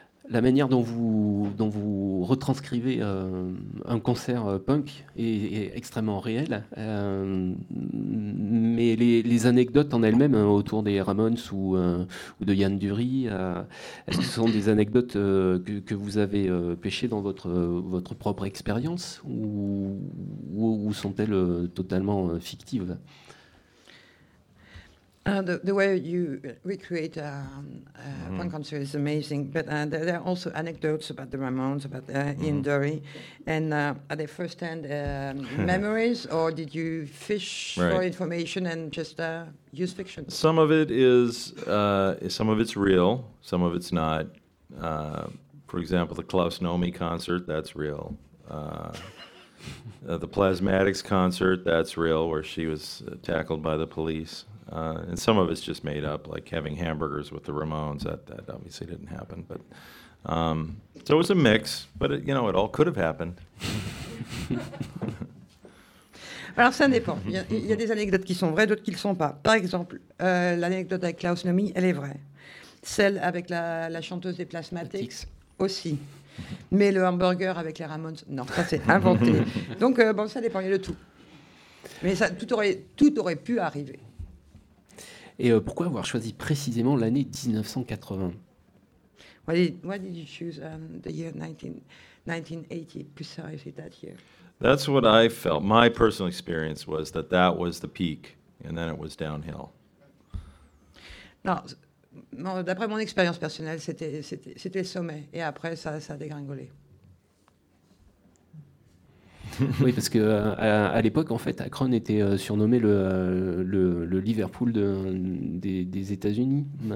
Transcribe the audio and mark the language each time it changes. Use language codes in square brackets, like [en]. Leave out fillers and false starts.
[fr] La manière dont vous retranscrivez un concert punk est extrêmement réelle, mais les anecdotes en elles-mêmes autour des Ramones ou de Yann Dury, est-ce que ce sont des anecdotes que vous avez pêchées dans votre propre expérience ou sont-elles totalement fictives? [en] The way you recreate punk concert is amazing, but there are also anecdotes about the Ramones, about Ian Dury, and are they first-hand memories, or did you fish for information and just use fiction? Some of it is, some of it's real, some of it's not. For example, the Klaus Nomi concert, that's real. The Plasmatics concert, that's real, where she was tackled by the police. And some of it's just made up, like having hamburgers with the Ramones. That obviously didn't happen. But so it was a mix. But it, you know, it all could have happened. [fr] Alors ça dépend. Il y a des anecdotes qui sont vraies, d'autres qui ne sont pas. Par exemple, l'anecdote avec Klaus Nomi, elle est vraie. Celle avec la chanteuse des Plasmatics aussi. Mais le hamburger avec les Ramones, non, ça c'est inventé. Donc ça dépend. Il y a de tout. Mais ça, tout aurait pu arriver. Et pourquoi avoir choisi précisément l'année 1980? [en] Why did you choose the year 1980? Precisely that year. That's what I felt. My personal experience was that was the peak, and then it was downhill. [fr] Non, d'après mon expérience personnelle, c'était le sommet, et après ça a dégringolé. Oui, parce que à l'époque, en fait, Akron était surnommé le Liverpool des États-Unis.